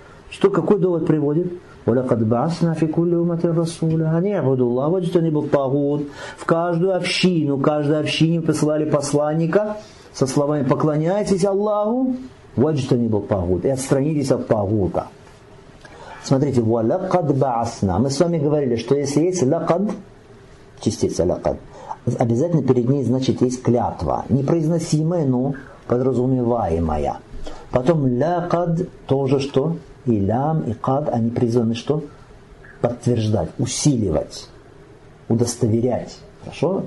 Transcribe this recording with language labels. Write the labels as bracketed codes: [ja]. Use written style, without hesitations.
[ru] Что, какой довод приводит? [ar] وَلَقَدْ بَعَثْنَا فِي كُلِّ أُمَّةٍ رَسُولًا أَنِ اعْبُدُوا اللَّهَ وَاجْتَنِبُوا الطَّاغُوتَ. [ru] В каждую общину, каждой общине посылали посланника со словами: поклоняйтесь Аллаху, [ar] وَاجْتَنِبُوا الطَّاغُوتَ, [ru] и отстранитесь от тагута. Смотрите, [ar] وَلَقَدْ بَعَثْنَا. [ru] Мы с вами говорили, что если есть لَقَدْ, частица لَقَدْ, обязательно перед ней значит есть клятва, непроизносимая, но подразумеваемая. Потом لَقَدْ тоже что? И лям, и кад, они призваны что? Подтверждать, усиливать, удостоверять. Хорошо?